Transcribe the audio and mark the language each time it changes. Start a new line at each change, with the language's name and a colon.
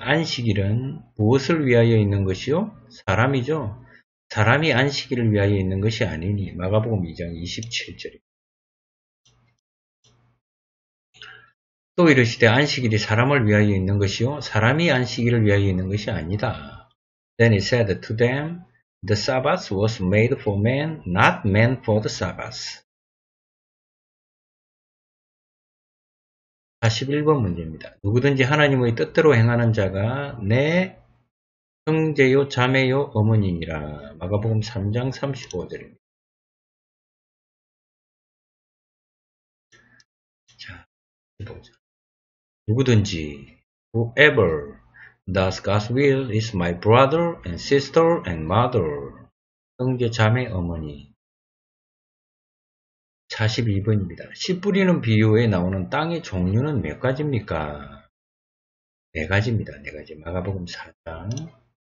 Korean: 안식일은 무엇을 위하여 있는 것이요? 사람이죠. 사람이 안식일을 위하여 있는 것이 아니니 마가복음 2장 27절입니다. 또 이르시되 안식일이 사람을 위하여 있는 것이요? 사람이 안식일을 위하여 있는 것이 아니다.
English: Then he said to them, The Sabbath was made for man, not man for the Sabbath.
Korean: 41번 문제입니다. 누구든지 하나님의 뜻대로 행하는 자가 내 형제요, 자매요, 어머니니라. 마가복음 3장 35절입니다. 보자.
English: 누구든지, whoever does God's will is my brother and sister and mother.
Korean: 형제, 자매, 어머니. 42번입니다. 씨 뿌리는 비유에 나오는 땅의 종류는 몇 가지입니까? 네 가지입니다. 네 가지. 마가복음 4장.